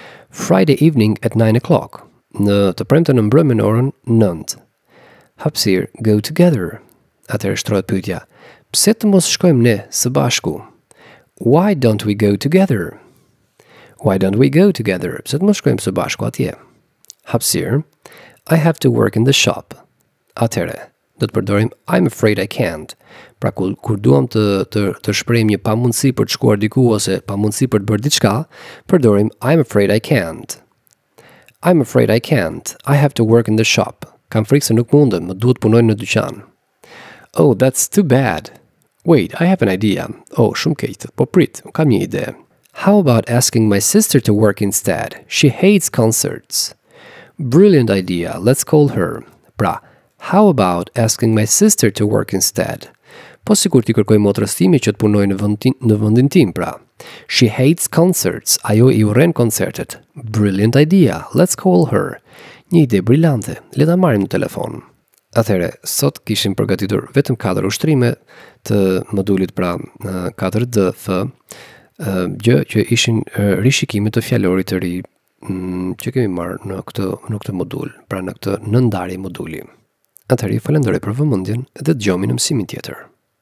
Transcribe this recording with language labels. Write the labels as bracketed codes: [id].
[en] Friday evening at 9 o'clock. [sq] Në të premten në mbrëmjen orën 9. Hapsir, [en] go together. [sq] Atëherë shtrohet pyetja. Pse të mos shkojmë ne së bashku? [en] Why don't we go together? Why don't we go together? [sq] Pse të mos shkojmë së bashku atje? [en] Hapsir, I have to work in the shop. [sq] Atëherë, do të përdorim [en] I'm afraid I can't. [sq] Pra kur duam të shprehim një pamundësi për të shkuar diku ose pamundësi për të bërë diçka, përdorim I'm afraid I can't. [en] I'm afraid I can't. I have to work in the shop. [sq] Kam frikë se nuk mundem, më duhet punoj në dyqan. [en] Oh, that's too bad. Wait, I have an idea. [sq] Oh, shumë keq, po prit, kam një ide. [en] How about asking my sister to work instead? She hates concerts. Brilliant idea. Let's call her. Pra, how about asking my sister to work instead? [sq] Po sikur ti kërkoj motrës time që të punojë në vendin tim, pra. [en] She hates concerts. [sq] Ajo I urren koncertet. [en] Brilliant idea. Let's call her. [sq] Një ide brillante. Le ta marrim në telefon. Atëherë, sot kishim përgatitur vetëm 4 ushtrime të modulit, pra 4DF, gjë që ishin rishikime të fjalorit të ri që kemi marrë në këtë modul, pra në këtë nëndarje moduli. Atëherë, falenderoj për vëmendjen dhe dëgjojmë në mësimin tjetër.